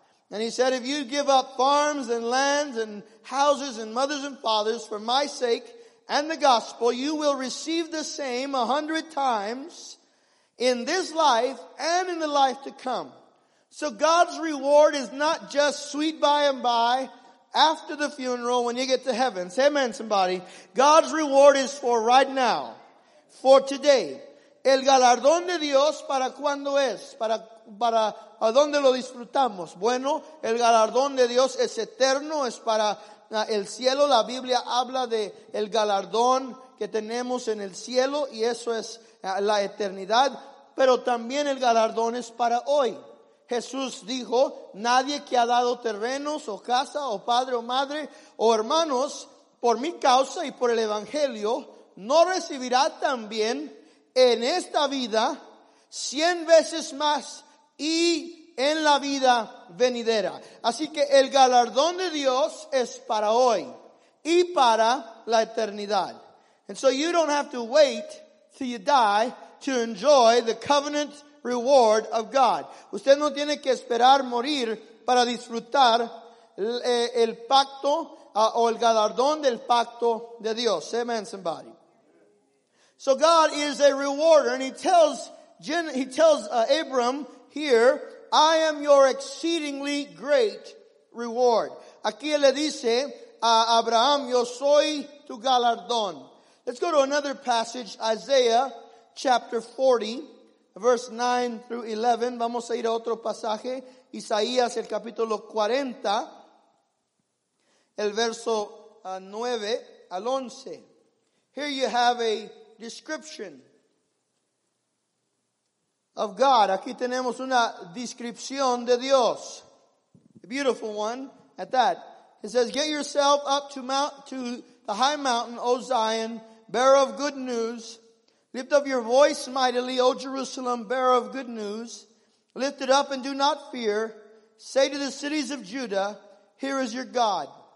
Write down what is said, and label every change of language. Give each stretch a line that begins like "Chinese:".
English: And he said, if you give up farms and lands and houses and mothers and fathers for my sake and the gospel, you will receive the same 100 times in this life and in the life to come. So God's reward is not just sweet by and by after the funeral when you get to heaven. Say amen, somebody. God's reward is for right now, for today.
Spanish: El galardón de Dios para cuando es, para a donde lo disfrutamos. Bueno, el galardón de Dios es eterno, es para el cielo. La Biblia habla de el galardón que tenemos en el cielo y eso es la eternidad. Pero también el galardón es para hoy. Jesús dijo, nadie que ha dado terrenos o casa o padre o madre o hermanos por mi causa y por el evangelio no recibirá también en esta vida 100 veces más y en la vida venidera. Así que el galardón de Dios es para hoy y para la eternidad.
English: And so you don't have to wait till you die to enjoy the covenant reward of God.
Spanish: Usted no tiene que esperar morir para disfrutar el pacto o el galardón del pacto de Dios.
English: Amen, somebody. So God is a rewarder, and he tells Abram here, I am your exceedingly great reward.
Spanish: Aquí le dice a Abraham, yo soy tu galardón.
English: Let's go to another passage, Isaiah chapter 40. Verse 9 through 11.
Spanish: Vamos a ir a otro pasaje. Isaías, el capítulo 40. El verso 9 al 11.
English: Here you have a description of God.
Spanish: Aquí tenemos una descripción de Dios.
English: A beautiful one at that. It says, get yourself up to the high mountain, O Zion, bearer of good news. Lift up your voice mightily, O Jerusalem, bearer of good news. Lift it up and do not fear. Say to the cities of Judah, here is your God.